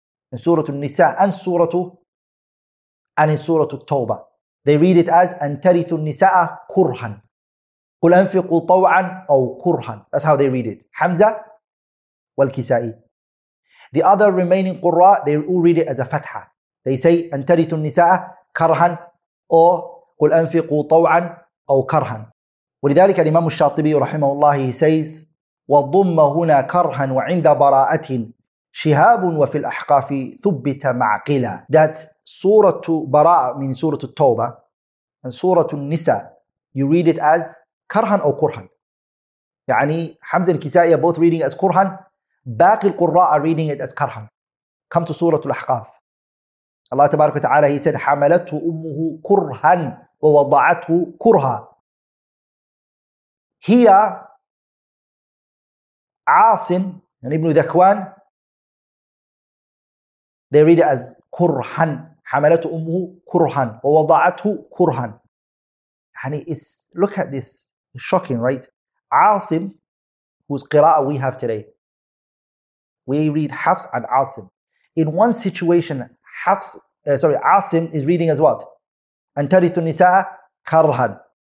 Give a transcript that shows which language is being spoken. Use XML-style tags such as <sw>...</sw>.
<en>In Surah Al-Nisa and in Surah Al-Tawbah, they read it as</en> <ar>أَنْ تَرِثُ النِّسَاءَ كُرْهًا. قُلْ أَنْفِقُوا طَوْعًا أَوْ كُرْهًا.</ar> <en>That's how they read it.</en> <ar>Hamza wal-Kisa'i.</ar> <en>The other remaining qurra, they all read it as a fatha. They say,</en> <ar>أَنْ تَرِثُ النِّسَاءَ كَرْهًا أو قُلْ أَنْفِقُوا طَوْعًا أَوْ كَرْهًا. ولذلك الإمام الشاطبي رحمه الله,</ar> <en>he says,</en> <ar>وَالضُمَّ هُنَا كَرْهًا وَعِنْدَ بَرَاءَةٍ شِهَابٌ وَفِي الْأَحْقَافِ ثُبِّتَ مَعْقِلًا.</ar> <en>That Surah Bara'a, meaning Surah Al-Tawbah, and Surah Al-Nisa, you read it as كَرْهًا أو كُرْهًا.</en> <ar>يعني حمزة الكسائي</ar> <en>are both reading as كُرْهًا,</en> <ar>باقي القراء</ar> <en>are reading it as كَرْهًا. Come to Surah Al-Ahqaf.</en> <ar>Allah tabarak wa ta'ala,</ar> <en>He said,</en> <ar>حَمَلَتْهُ أُمُّهُ كُرْهًا وَوَضَعَتْهُ كُرْهًا.</ar> <en>Here, عاصم and Ibn Dhakwan, they read it as كُرْهًا.</en> <ar>حَمَلَتْهُ أُمُّهُ كُرْهًا وَوَضَعَتْهُ كُرْهًا.</ar> <en>And it's, look at this, it's shocking, right? عاصم, whose qira'ah we have today, we read حفص and عاصم. In one situation, Asim is reading as what?</en> <ar>أَنْ تَرِثُ النِّسَاءَ</ar> <en>karhan.</en>